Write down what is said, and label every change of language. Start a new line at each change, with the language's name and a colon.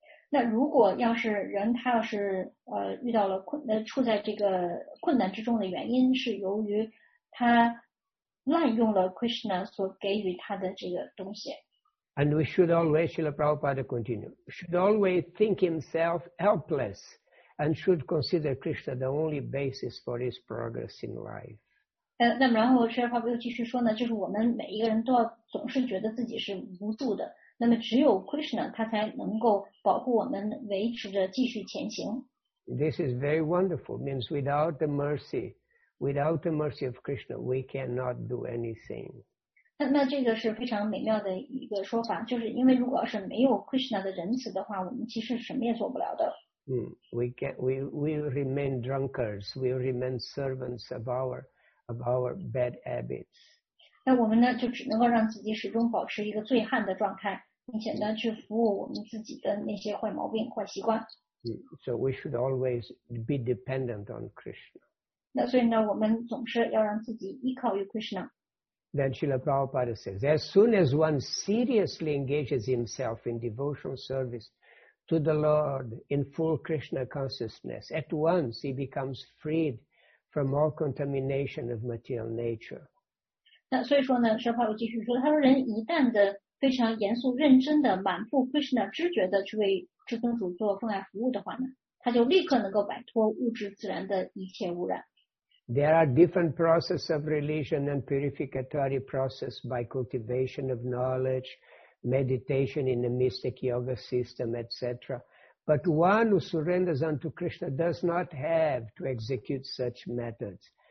Chinese: 那如果要是人他要是遇到了处在这个困难之中的原因是由于他。滥用了 Krishna 所给予他的这个东西。
English: And we should always, Srila Prabhupada continued, should always think himself helpless and should consider Krishna the only basis for his progress in life.
Chinese: 那么然后 Srila Prabhupada 又继续说呢，就是我们每一个人都要总是觉得自己是无助的，那么只有 Krishna 他才能够保护我们维持着继续前行。
English: This is very wonderful, means without the mercy,Without the mercy of Krishna, we cannot do anything.
Chinese: 那这个是非常美妙的一个说法，就是因为如果是没有 Krishna 的仁慈的话，我们其实什么也做不了的。
English: We remain drunkards. We remain servants of our bad habits.
Chinese: 那我们呢，就只能够让自己始终保持一个醉汉的状态，并且呢，去服务我们自己的那些坏毛病、坏习惯。
English: So we should always be dependent on Krishna.
Chinese: 那所以呢，我们总是要让自己依靠于 Krishna。
English: Then Srila Prabhupada says, as soon as one seriously engages himself in devotional service to the Lord in full Krishna consciousness, at once he becomes freed from all contamination of material nature.
Chinese: 那所以说呢，释迦牟尼继续说，他说人一旦的非常严肃认真的满腹 Krishna 知觉的去为至尊主做奉爱服务的话呢，他就立刻能够摆脱物质自然的一切污染。
English: There are different processes of religion and purificatory process by cultivation of knowledge, meditation in the mystic yoga system, etc. But one who surrenders unto Krishna does not have to execute such methods.